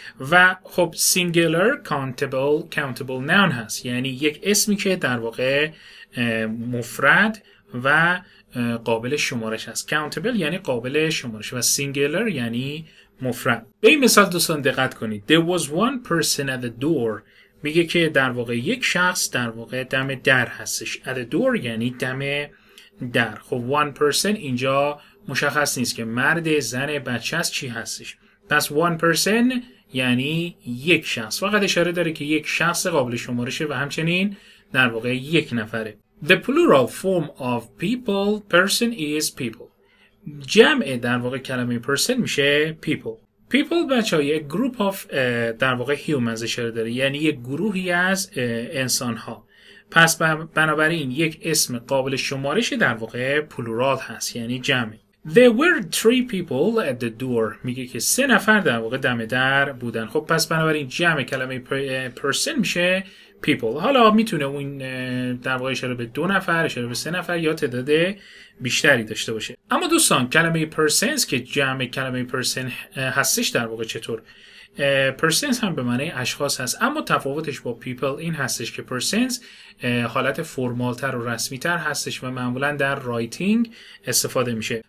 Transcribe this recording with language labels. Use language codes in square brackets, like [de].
[fa] و خب [en] singular countable noun [fa] هست، یعنی یک اسمی که در واقع مفرد و قابل شمارش هست. countable یعنی قابل شمارش و singular یعنی مفرد. به این مثال دوستان دقت کنید. [en] There was one person at the door. [fa] میگه که در واقع یک شخص در واقع دم در هستش. [en] At the door [fa] یعنی دم در. خب [en] one person [fa] اینجا مشخص نیست که مرد، زن، بچه هست، چی هستش. پس [en] one person [fa] یعنی یک شخص، فقط اشاره داره که یک شخص قابل شمارشه و همچنین در واقع یک نفره. [en] The plural form of people, person is people. [fa] جمع در واقع کلمه person میشه people. People بچه های [en] group of [fa] در واقع humans اشاره داره، یعنی یک گروهی از انسان ها. پس بنابراین یک اسم قابل شمارش در واقع plural هست، یعنی جمع. [en] There were three people at the door. [fa] میگه که سه نفر در واقع دم در بودن. خب پس بنابراین جمع کلمه person میشه people. حالا میتونه اون در واقع اشاره به دو نفر، اشاره به سه نفر یا تعداد بیشتری داشته باشه. اما دوستان کلمه persons که جمع کلمه person هستش در واقع چطور؟ persons هم به معنی اشخاص هست، اما تفاوتش با people این هستش که persons حالت فرمالتر و رسمیتر هستش و معمولا در رایتینگ استفاده میشه.